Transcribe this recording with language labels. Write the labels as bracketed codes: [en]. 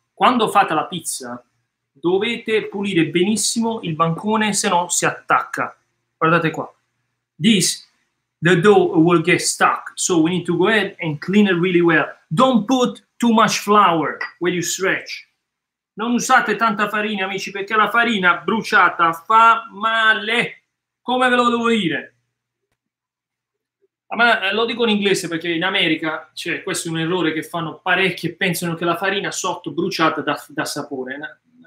[it] Quando fate la pizza, dovete pulire benissimo il bancone, se no si attacca. Guardate qua. [en] This, the dough will get stuck. So we need to go ahead and clean it really well. Don't put too much flour when you stretch. [it] Non usate tanta farina, amici, perché la farina bruciata fa male. Come ve lo devo dire? Ma lo dico in inglese perché in America, cioè, questo è un errore che fanno parecchi e pensano che la farina sotto bruciata dà sapore.